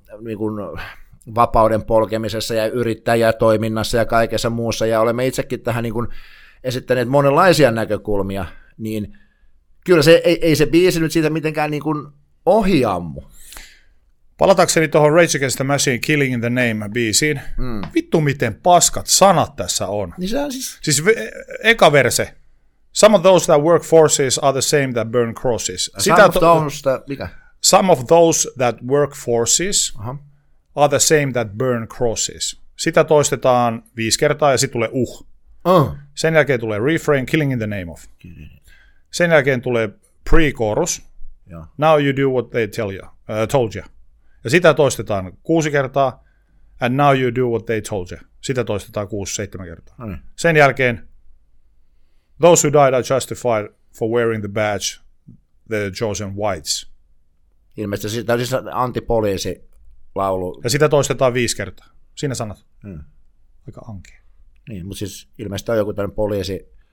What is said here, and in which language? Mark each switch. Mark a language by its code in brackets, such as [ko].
[fi] niin kuin vapauden polkemisessa ja yrittäjätoiminnassa ja kaikessa muussa, ja olemme itsekin tähän niin kuin esittäneet monenlaisia näkökulmia, niin kyllä se ei se biisi nyt siitä mitenkään niin kuin ohjaammu. Palatakseni tuohon Rage Against the Machine, Killing in the Name -biisiin. Vittu, miten paskat sanat tässä on. Niin se on siis... Siis eka verse. [en] Some of those that work forces are the same that burn crosses. [fi] Mikä? [en] Some of those that work forces are the same that burn crosses. [fi] Sitä toistetaan 5 kertaa ja sitten tulee Sen jälkeen tulee refrain, killing in the name of. Sen jälkeen tulee pre-chorus. [en] Yeah. Now you do what they tell you, told you. [fi] Ja sitä toistetaan 6 kertaa. [en] And now you do what they told you. [fi] Sitä toistetaan 6-7 kertaa. Mm. Sen jälkeen [en] those who died are justified for wearing the badge, the chosen whites. [fi] Ilmeisesti se on siis antipoliisilaulu. Ja sitä toistetaan 5 kertaa. Siinä sanat. Hmm. Aika ankea. Niin, mutta siis ilmeisesti on joku tämmöinen poliisi.